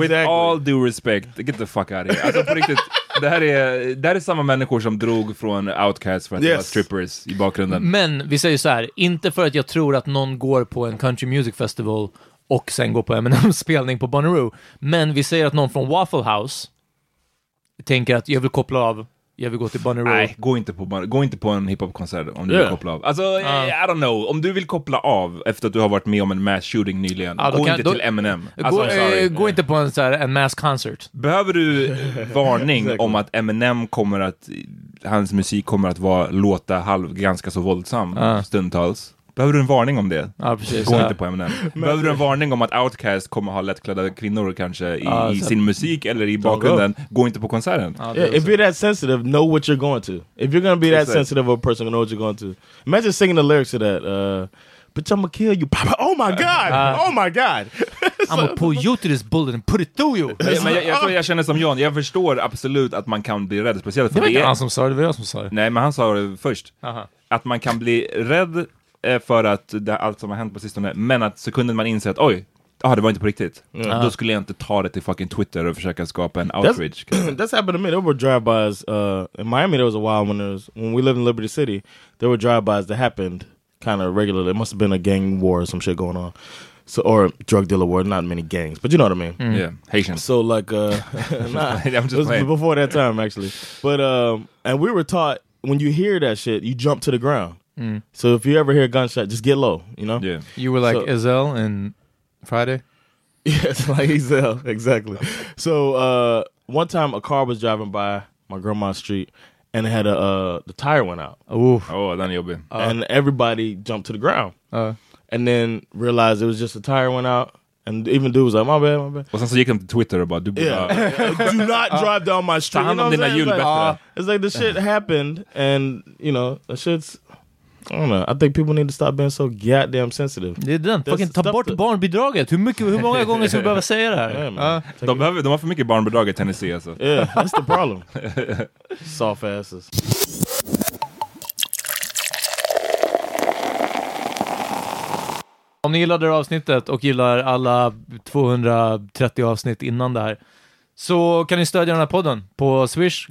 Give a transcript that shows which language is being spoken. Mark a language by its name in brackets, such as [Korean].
[English] With all due respect, get the fuck out of here. [Swedish] Alltså på riktigt, det här är samma människor som drog från Outkast för att vara strippers i bakgrunden. Men vi säger så här, inte för att jag tror att någon går på en country music festival och sen går på Eminem-spelning på Bonnaroo, men vi säger att någon från Waffle House tänker att jag vill koppla av, jag vill gå till Bunny Road. Nej, gå inte på en hiphopkonsert om du vill koppla av. Alltså, [English] I don't know. [Swedish] Om du vill koppla av efter att du har varit med om en mass shooting nyligen, gå inte till Eminem. Gå inte på en mass concert. Behöver du varning om att Eminem kommer att, hans musik kommer att vara, låta halv, ganska så våldsam stundtals? Behöver du en varning om det? Ja, precis. Gå inte på Eminem. Behöver du en varning om att Outkast kommer att ha lättklädda kvinnor kanske i sin musik eller i bakgrunden? Gå inte på konserten. [English] If you're that sensitive, know what you're going to. If you're going to be that sensitive of a person, know what you're going to. Imagine singing the lyrics to that. Bitch, I'm gonna kill you. Oh my god. Oh my god. I'm gonna pull you through this bullet and put it through you. [Swedish] Men jag tror jag känner som John. Jag förstår absolut att man kan bli rädd. Speciellt för det var inte han som sa det. Det var jag som sa det. Nej, men han sa det först. Uh-huh. Att man kan bli rädd för att det, allt som har hänt på sistone, men att sekunden man inser att oj, det var inte på riktigt, då skulle jag inte ta det till fucking Twitter och försöka skapa en outrage. [English] That's happened to me. There were drive-bys in Miami. There was a while when we lived in Liberty City, there were drive-bys that happened kind of regularly. It must have been a gang war or some shit going on, so, or drug dealer war. Not many gangs, but you know what I mean. Mm. Yeah, Haitian. So like it was before that time actually, but and we were taught when you hear that shit, you jump to the ground. Mm. So if you ever hear a gunshot, just get low, you know? Yeah. You were like Ezel in Friday? Yes, like Ezel, exactly. So one time a car was driving by my grandma's street and it had the tire went out. Oh, then you'll be. And everybody jumped to the ground. And then realized it was just the tire went out. And even dude was like, my bad, my bad. Well, so you came to Twitter about do not drive down my street. You know what I'm saying? It's like the shit happened and, you know, the shit's, I don't know. I think people need to stop being so goddamn sensitive. [Swedish] Det är den. Fucking ta bort barnbidraget. Hur många gånger ska vi behöva säga det här? De har för mycket barnbidrag i Tennessee. Alltså. [English] Yeah, that's the problem. Soft asses. [Swedish] Om ni gillade det avsnittet och gillar alla 230 avsnitt innan det här, så kan ni stödja den här podden på Swish.